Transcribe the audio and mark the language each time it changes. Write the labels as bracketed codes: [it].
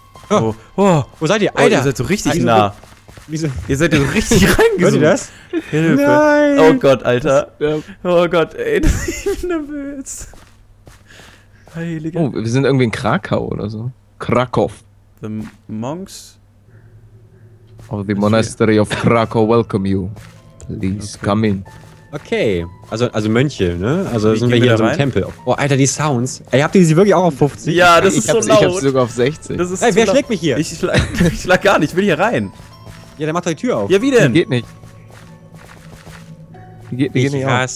[de] Oh. Wo seid ihr? Alter. Ihr seid so richtig nah. Wieso? Ihr seid so richtig reingesucht. Hört ihr das? Hilfe. Nein. Oh Gott, Alter. Oh Gott, ey. Ich bin nervös. Heiliger. Oh, wir sind irgendwie in Krakau oder so. [en] Krakow. The Monks. Of the Monastery of Krakow welcome you. Please come in. [de] Okay, also Mönche, ne? Also wie sind wir hier in so einem Tempel. Oh, Alter, die Sounds. Ey, habt ihr sie wirklich auch auf 50? Ja, das ist so laut. Ich hab's sogar auf 60. Das ist ey, wer schlägt mich hier? Ich schlag gar nicht, ich will hier rein. Ja, dann macht doch die Tür auf. Ja, wie denn? Geht nicht.